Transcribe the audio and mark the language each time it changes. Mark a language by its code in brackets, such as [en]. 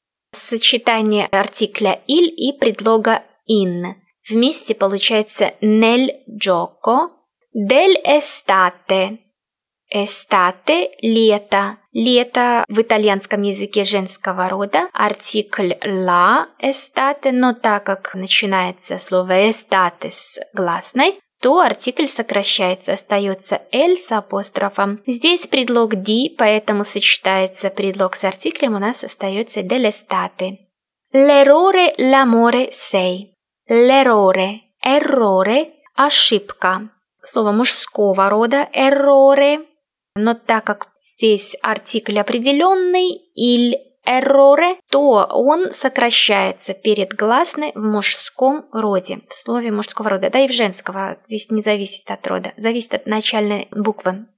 [ru] Сочетание артикля «иль» и предлога «in». Вместе получается «nel gioco». «Del estate». «Estate» – «лето». «Лето» в итальянском языке женского рода. Артикль «la» – «estate». Но так как начинается слово «estate» с гласной, то артикль сокращается, остается «l» с апострофом. Здесь предлог «di», поэтому сочетается предлог с артиклем, у нас остается «dell'estate». [it] L'errore, l'amore sei. L'errore, errore, ошибка. [ru] слово мужского рода «errore», но так как здесь артикль определенный «il errore», то он сокращается перед гласной в мужском роде, в слове мужского рода, да и в женского, здесь не зависит от рода, зависит от начальной буквы.